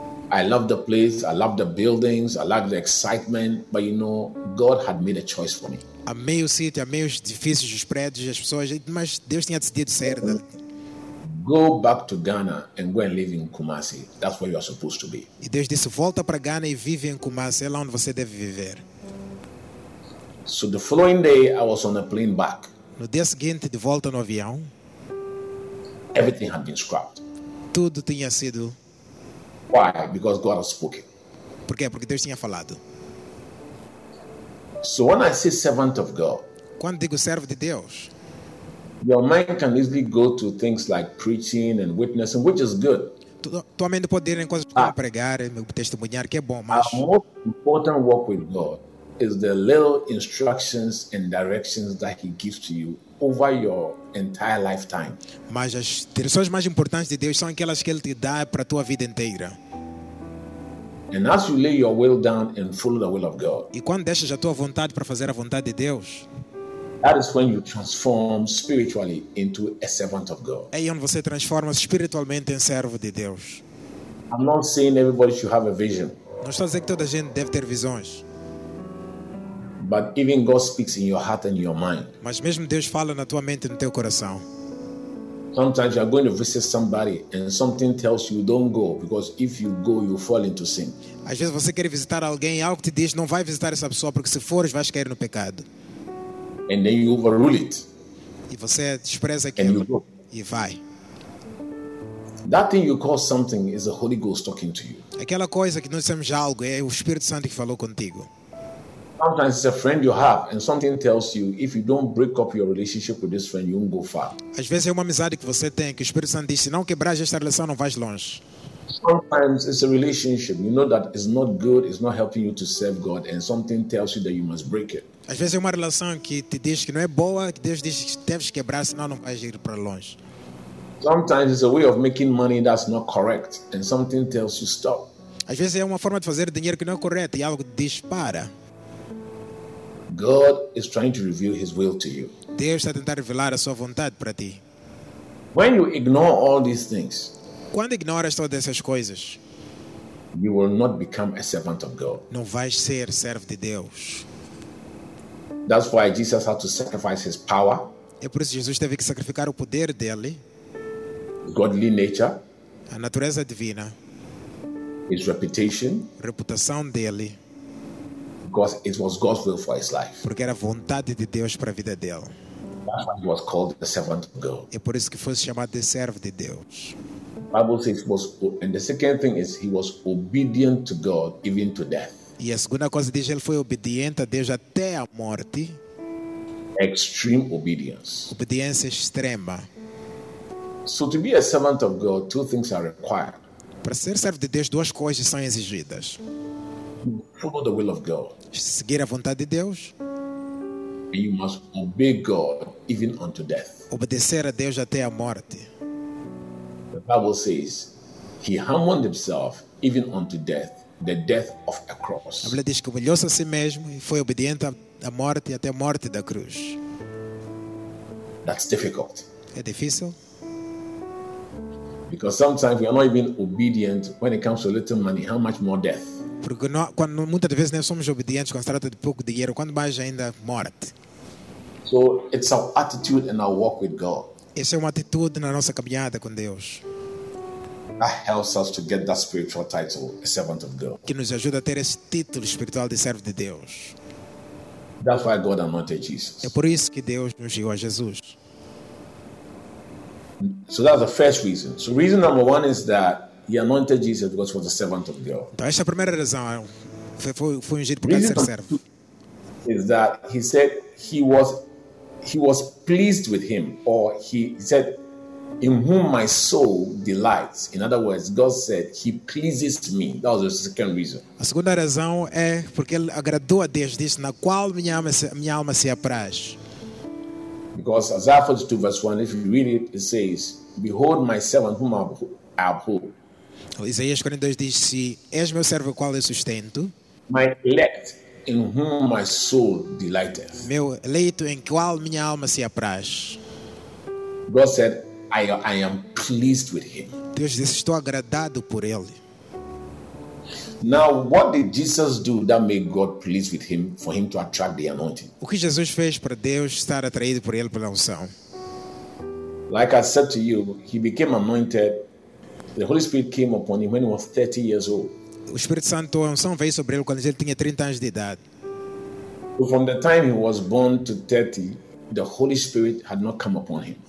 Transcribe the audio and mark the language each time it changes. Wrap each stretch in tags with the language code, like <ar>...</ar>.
<en>I love the place, I love the buildings, I love the excitement, but you know, God had made a choice for me.</en> <pt>Amei o sítio, amei os edifícios, os prédios, as pessoas, mas Deus tinha decidido sair dali.</pt> <en>Go back to Ghana and go and live in Kumasi. That's where you are supposed to be.</en> <pt>E Deus disse, volta para Ghana e vive em Kumasi, é lá onde você deve viver.</pt> <en>So the following day, I was on a plane back.</en> <pt>No dia seguinte, de volta no avião,</pt> <en>everything had been scrapped.</en> <pt>Tudo tinha sido.</pt> <en>Why? Because God has spoken.</en> <pt>Por quê? Porque Deus tinha falado.</pt> <en>So when I say servant of God,</en> <pt>quando digo servo de Deus,</pt> <en>your mind can easily go to things like preaching and witnessing, which is good.</en> <pt>Tua mente pode ir em coisas como pregar, testemunhar, que é bom, mas</pt> <en>a most important work with God is the little instructions and directions that He gives to you over your entire lifetime.</en> <pt>Mas as direções mais importantes de Deus são aquelas que Ele te dá para a tua vida inteira.</pt> <en>And as you lay your will down and follow the will of God,</en> <pt>e quando deixas a tua vontade para fazer a vontade de Deus,</pt> <en>that is when you transform spiritually into a servant of God.</en> <pt>É onde você transforma espiritualmente em servo de Deus.</pt> <en>I'm not saying everybody should have a vision.</en> <pt>Não estou a dizer que toda a gente deve ter visões.</pt> <en>But even God speaks in your heart and your mind.</en> <pt>Mas mesmo Deus fala na tua mente e no teu coração.</pt> <en>Sometimes you are going to visit somebody and something tells you don't go, because if you go you fall into sin.</en> <pt>Às vezes você quer visitar alguém e algo te diz não vai visitar essa pessoa porque se fores vais cair no pecado.</pt> <en>And then you overrule it.</en> <pt>E você despreza aquilo.</pt> <en>And you go.</en> <pt>E vai.</pt> <en>That thing you call something is the Holy Ghost talking to you.</en> <pt>Aquela coisa que nós chamamos algo é o Espírito Santo que falou contigo.</pt> <en>Sometimes it's a friend you have and something tells you if you don't break up your relationship with this friend you won't go far.</en> <pt>Às vezes é uma amizade que você tem que o Espírito Santo diz, se não quebrar esta relação não vais longe.</pt> <en>Sometimes it's a relationship you know that is not good, it's not helping you to serve God, and something tells you that you must break it.</en> <pt>Às vezes é uma relação que te diz que não é boa, que Deus diz que deves quebrar, senão não vais ir para longe.</pt> <en>Sometimes it's a way of making money that's not correct and something tells you stop.</en> <pt>Às vezes é uma forma de fazer dinheiro que não é correta e algo diz para.</pt> <en>God is trying to reveal His will to you.</en> <pt>Deus está tentando revelar a sua vontade para ti.</pt> <en>When you ignore all these things,</en> <pt>quando ignoras todas essas coisas,</pt> <en>You will not become a servant of God.</en> <pt>Não vais ser servo de Deus.</pt> <en>That's why Jesus had to sacrifice his power.</en> <pt>É por isso Jesus teve que sacrificar o poder dele.</pt> <en>Godly nature.</en> <pt>A natureza divina.</pt> <en>His reputation.</en> <pt>Reputação dele.</pt> <en>Because it was God's will for his life.</en> <pt>Porque era vontade de Deus para a vida dele.</pt> <en>That's why he was called the servant of God.</en> <pt>É por isso que foi chamado de servo de Deus.</pt> <en>Bible says was, and the second thing is he was obedient to God even to death.</en> <pt>E a segunda coisa diz ele foi obediente a Deus até a morte.</pt> <en>Extreme obedience.</en> <pt>Obediência extrema.</pt> <en>So to be a servant of God, two things are required.</en> <pt>Para ser servo de Deus, duas coisas são exigidas.</pt> <en>Follow the will of God.</en> <pt>Seguir a vontade de Deus.</pt> <en>You must obey God even unto death.</en> <pt>Obedecer a Deus até a morte.</pt> <en>The Bible says, he humbled himself even unto death, the death of a cross.</en> <pt>A Bíblia diz que humilhou-se a si mesmo e foi obediente à morte e até a morte da cruz.</pt> <en>That's difficult.</en> <pt>É difícil.</pt> <en>Because sometimes we are not even obedient when it comes to little money. How much more death?</en> <pt>Porque nós, quando muitas vezes nem somos obedientes quando se trata de pouco dinheiro, quando mais ainda morte.</pt> <en>So it's our attitude and our walk with God.</en> <pt>Essa é uma atitude na nossa caminhada com Deus.</pt> <en>That helps us to get that spiritual title, a servant of God.</en> <pt>Que nos ajuda a ter esse título espiritual de servo de Deus.</pt> <en>That's why God anointed Jesus.</en> <pt>É por isso que Deus ungiu a Jesus.</pt> <en>So that's the first reason. So reason number one is that he anointed Jesus because he was a servant of God.</en> <pt>Então essa é a primeira razão. Foi ungido por causa de ser servo.</pt> <en>Is that he said he was pleased with him, or he said in whom my soul delights. In other words, God said he pleases me. That was the second reason.</en> <pt>A segunda razão é porque ele agradou a Deus, diz na qual minha alma se apraz.</pt> <en>Because Isaiah 42 verse 1, if you read it, it says, behold my servant whom I uphold.</en> <pt>Isaías 42 diz, se és meu servo qual eu sustento.</pt> <en>My elect in whom my soul delighteth.</en> <pt>Meu eleito em qual minha alma se apraz.</pt> <en>God said, I am pleased with him.</en> <pt>Deus disse, estou agradado por ele.</pt> <en>Now, what did Jesus do that made God pleased with him for him to attract the anointing?</en> <pt>O que Jesus fez para Deus estar atraído por ele pela unção?</pt> <en>Like I said to you, he became anointed. The Holy Spirit came upon him when he was 30 years old.</en> <pt>O Espírito Santo, a unção veio sobre ele quando ele tinha 30 anos de idade.</pt> <en>So from the time he was born to 30, the Holy Spirit had not come upon him.</en>